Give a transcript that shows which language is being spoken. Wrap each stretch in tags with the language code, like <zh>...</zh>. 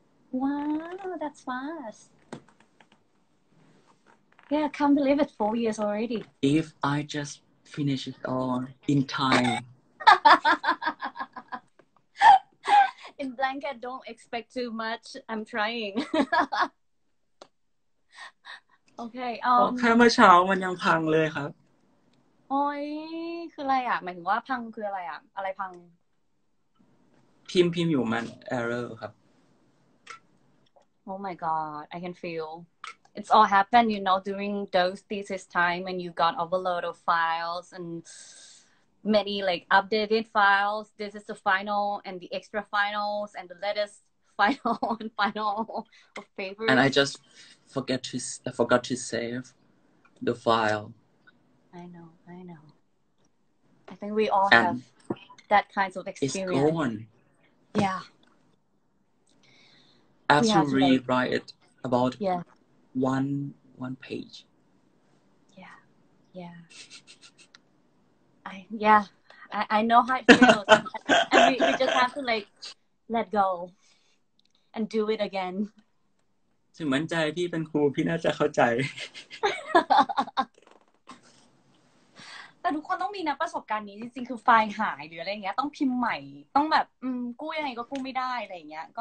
<en>Wow, that's fast. Yeah, I can't believe it, 4 years already. If I just finish it all in time. In blanket, don't expect too much. I'm trying. Okay.</en> <th>แค่เมื่อเช้ามันยังพังเลยครับ โอ้ยคืออะไรอ่ะหมายถึงว่าพังคืออะไรอ่ะอะไรพัง พิมพ์อยู่มัน error ครับ</th> <en>Oh my God, I can feel. It's all happened, you know, during those thesis time when you got overload of files and many like updated files. This is the final and the extra finals and the latest final and final of papers. And I just forgot to save the file. I know. I think we all have that kind of experience. It's gone. Yeah. I have to rewrite it about one page. I know how it feels. And we just have to like let go and do it again.</en> <th>ถึงมั่นใจพี่เป็นครูพี่น่าจะเข้าใจ แต่ทุกคนต้องมีนะประสบการณ์นี้จริงๆคือไฟล์หายหรืออะไรเงี้ยต้องพิมพ์ใหม่ต้องแบบกู้ยังไงก็กู้ไม่ได้อะไรเงี้ยก</th>